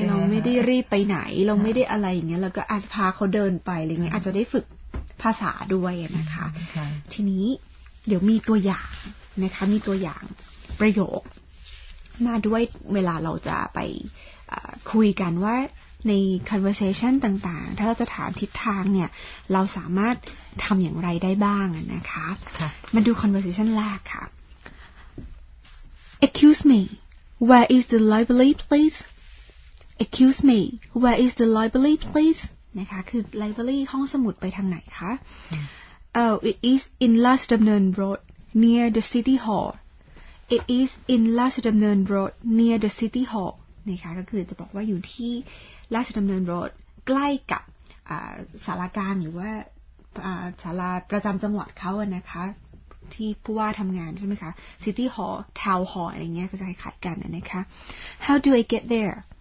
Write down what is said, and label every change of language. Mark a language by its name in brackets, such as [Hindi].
[Thai] เราไม่ได้รีบไปไหนเราไม่ได้อะไรอย่างเงี้ยเราก็อาจพาเขาเดินไปอะไรเงี้ยอาจจะได้ฝึกภาษาด้วยนะคะทีนี้เดี๋ยวมีตัวอย่างนะคะมีตัวอย่างประโยคมาด้วยเวลาเราจะไปคุยกันว่าใน conversation ต่างๆถ้าเราจะถามทิศทางเนี่ยเราสามารถทำอย่างไรได้บ้างนะคะมาดู conversation แรกค่ะ [English] Excuse me, where is the library please? Excuse me, where is the library please? [Thai] นะคะคือ library ห้องสมุดไปทางไหนคะ [English] Oh, it is in Las Damnern Road near the City Hall. It is in Las Damnern Road near the City Hall. [Thai] นะคะก็คือจะบอกว่าอยู่ที่ราชดำเนินรถใกล้กับศาลากลางหรือว่าศาลาประจำจังหวัดเขาอะนะคะที่ผู้ว่าทำงานใช่ไหมคะ City Hall Town Hall อะไรเงี้ยก็จะขัดกันนะคะ [English] How do I get there?